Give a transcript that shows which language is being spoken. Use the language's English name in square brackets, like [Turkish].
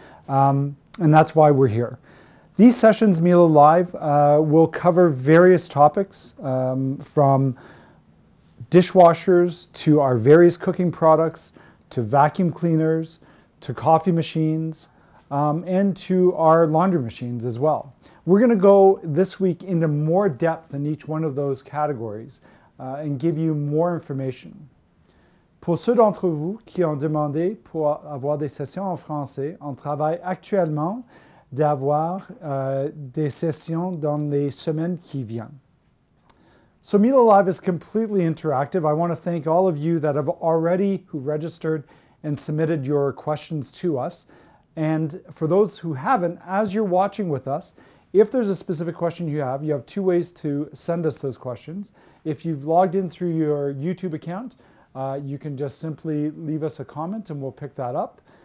[English] And that's why we're here. These sessions, Miele Live, will cover various topics from dishwashers to our various cooking products, to vacuum cleaners, to coffee machines, and to our laundry machines as well. We're going to go this week into more depth in each one of those categories and give you more information. [French] Pour ceux d'entre vous qui ont demandé pour avoir des sessions en français, on travaille actuellement d'avoir des sessions dans les semaines qui viennent. [English] So Miele Live is completely interactive. I want to thank all of you that have already who registered and submitted your questions to us. And for those who haven't, as you're watching with us, if there's a specific question you have two ways to send us those questions. If you've logged in through your YouTube account, you can just simply leave us a comment and we'll pick that up.